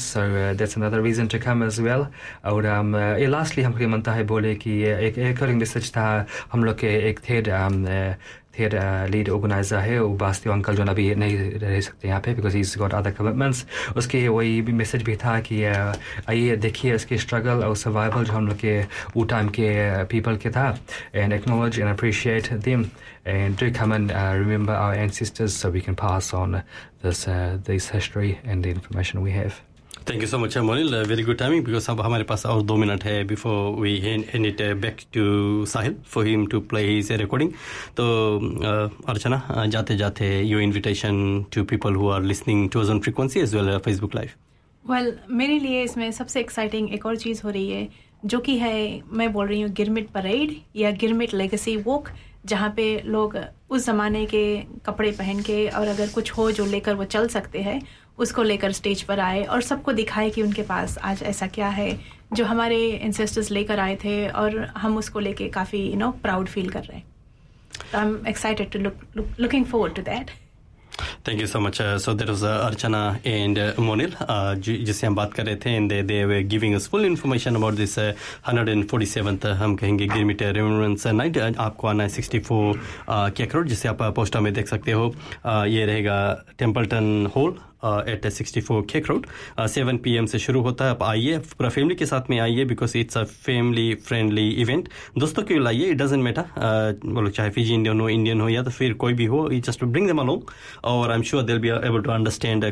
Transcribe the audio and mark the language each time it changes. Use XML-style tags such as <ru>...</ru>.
<en>So that's another reason to come as well.</en> <hi>Aur lastly hum kehta hai bole ki ek recording message tha, hum log ke ek third there lead organiser है वास्तव uncle, जो अभी नहीं रह सकते यहाँ पे</hi> <en>because he is got other commitments,</en> <hi>उसके वही भी मैसेज भी था कि आइए देखिए उसके स्ट्रगल और सर्वाइवल जो हम लोग के वो टाइम के पीपल के था,</hi> <en>And acknowledge and appreciate them, and do come and remember our ancestors so we can pass on this history and the information we have. Thank you so much, Monil. Very good timing, because</en> <hi>ab hamare paas aur 2 minute hai</hi> <en>before we hand it back to Sahil for him to play his recording. So, Archana,</en> <hi>jaate jaate,</hi> <en>your invitation to people who are listening to us on frequency as well as Facebook Live.</en> <hi>Well, mere liye isme sabse exciting ek aur cheez ho rahi hai, jo ki hai, main bol rahi hu Girmit Parade ya Girmit Legacy Walk, jahan pe log us zamane ke kapde pehen ke aur agar kuch ho jo lekar wo chal sakte hai, उसको लेकर stage पर आए और सबको दिखाए कि उनके पास आज ऐसा क्या है जो हमारे एंसेस्टर्स लेकर आए थे, और हम उसको लेके काफी</hi> <en>you know</en> <hi>प्राउड फील कर रहे हैं.</hi> <en>I am excited to looking forward to that. Thank you so much. So there was Archana and Monil,</en> <hi>जिसे हम बात कर रहे थे,</hi> <en>and they were giving us full information about this 147th,</en> <hi>हम कहेंगे,</hi> <en>Grimmett Remembrance Night.</en> <hi>आपको आना है 64 क्या करोड़, जिसे आप पोस्टर में देख सकते हो. ये रहेगा Templeton hall eight 64 cake road. 7 PM से शुरू होता है. आप आइए, पूरा फैमिली के साथ में आइए,</hi> <en>Because it's a family friendly event.</en> <hi>दोस्तों के लाइए,</hi> <en>it doesn't matter,</en> <hi>बोलो चाहे फिजी इंडियन हो, इंडियन हो या तो फिर कोई भी हो,</hi> <en>You just bring them along और I am sure they will be able to understand.</en>